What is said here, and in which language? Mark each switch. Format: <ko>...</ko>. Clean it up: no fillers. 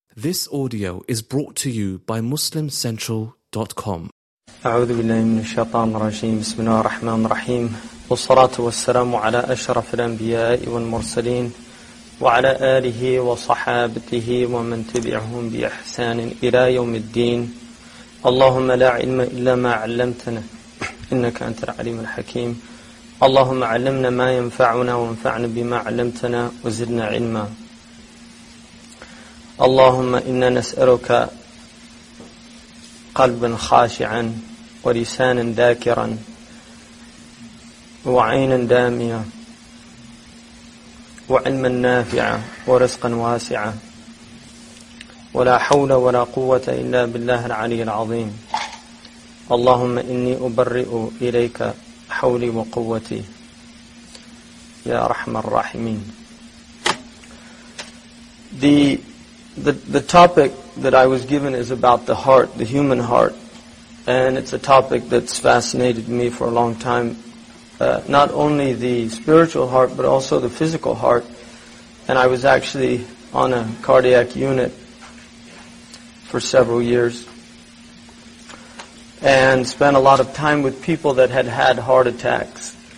<en>This audio is brought to you by MuslimCentral.com.</en> <ar>أعوذ بالله من الشيطان الرجيم بسم الله الرحمن الرحيم والصلاة والسلام على أشرف الأنبياء والمرسلين وعلى آله وصحابته ومن تبعهم بإحسان إلى يوم الدين اللهم لا علم إلا ما علمتنا إنك أنت العليم الحكيم اللهم علمنا ما ينفعنا وانفعنا بما علمتنا وزدنا علما اللهم إنا نسألك قلبا خاشعا ولسانا ذاكرا وعينا دامية وعلما نافعا ورزقا واسعا ولا حول ولا قوة إلا بالله العلي العظيم اللهم إني أبرئ إليك حولي وقوتي يا أرحم الراحمين.</ar> <en>The topic that I was given is about the heart, the human heart, and it's a topic that's fascinated me for a long time, not only the spiritual heart, but also the physical heart, and I was actually on a cardiac unit for several years, and spent a lot of time with people that had had heart attacks.</en>